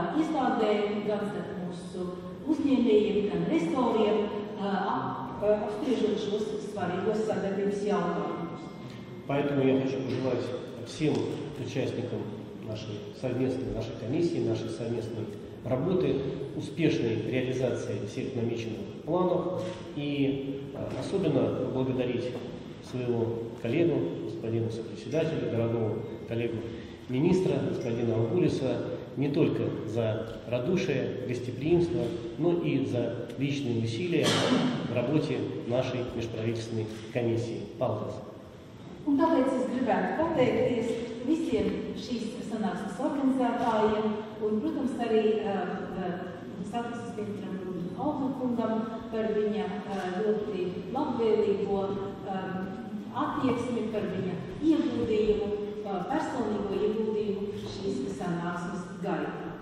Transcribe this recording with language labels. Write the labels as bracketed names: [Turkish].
[Latvian] Uzņēmējiem gan restauriem apspriežot šos svarīgos sadarbības jautājumus. [Russian] Поэтому я хочу пожелать всем участникам нашей совместной нашей комиссии, нашей совместной работы успешной реализации всех намеченных планов и особенно поблагодарить своего коллегу, господина сопредседателя, дорогого коллегу министра, господина Алгулиса, не только за радушие, гостеприимство, но и за личные усилия в работе нашей межправительственной комиссии ПАЛТАС. [Latvian] Un tāpēc es gribētu pateikties visiem šīs sanāksmes organizētājiem, un, protams, arī satiksmes ministram Aldam kungam par viņa ļoti labvēlīgo attieksmi, par viņa ieguldījumu, personīgo ieguldījumu šīs sanāksmes gaitā.